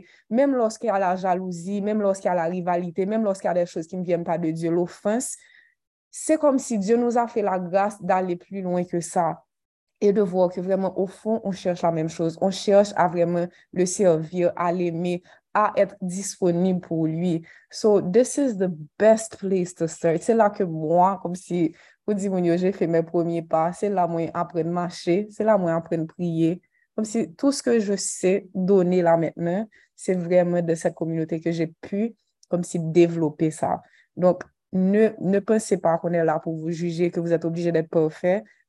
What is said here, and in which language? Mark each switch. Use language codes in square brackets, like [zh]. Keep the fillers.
[fr] même lorsqu'il y a la jalousie, même lorsqu'il y a la rivalité, même lorsqu'il y a des choses qui ne viennent pas de Dieu, l'offense, c'est comme si Dieu nous a fait la grâce d'aller plus loin que ça et de voir que vraiment au fond, on cherche la même chose. On cherche à vraiment le servir, à l'aimer, à être disponible pour lui. [en] So, this is the best place to start. [fr] C'est là que moi, comme si, vous dites, mon Dieu, j'ai fait mes premiers pas. C'est là moi après à marcher. C'est là où moi, appris à prier. Comme si tout ce que je sais donner là maintenant, c'est vraiment de cette communauté que j'ai pu, comme si, développer ça. Donc, ne, ne pensez pas qu'on est là pour vous juger, que vous êtes obligé d'être parfait.